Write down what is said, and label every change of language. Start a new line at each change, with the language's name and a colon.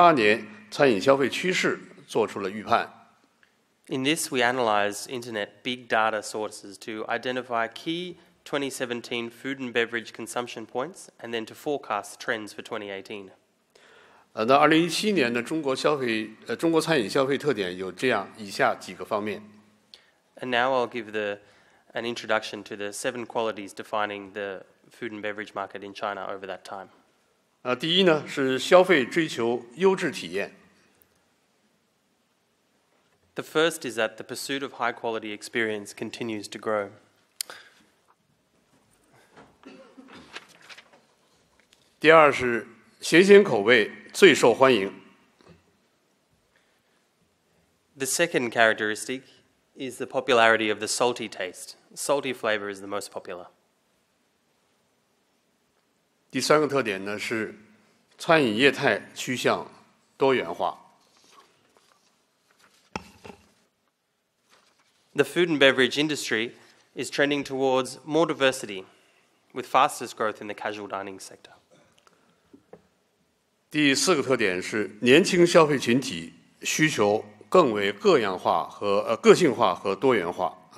Chinese: 结合我们国家权威的互联网机构提供的大数据，我们对2017年中国餐饮消费热点进行梳理，并对2018年餐饮消费趋势做出了预判。
English: In this, we analyzed internet big data sources to identify key 2017 food and beverage consumption points and then to forecast trends for 2018.
Chinese: 那2017年的中国餐饮消费特点有这样以下几个方面。
English: And now I'll give an introduction to the seven qualities defining the food and beverage market in China over that time.
Chinese: 第一呢，是消费追求优质体验。
English: The first is that the pursuit of high-quality experience continues to grow.
Chinese: 第二是，新鲜口味最受欢迎。
English: The second characteristic is the popularity of the salty taste. Salty flavor is the most popular.
Chinese: 第三个特点呢，是餐饮业态趋向多元化。
English: the food and beverage industry is trending towards more diversity, with fastest growth in the casual dining sector.
Chinese: 第四个特点是年轻消费群体需求更为个性化和多样化。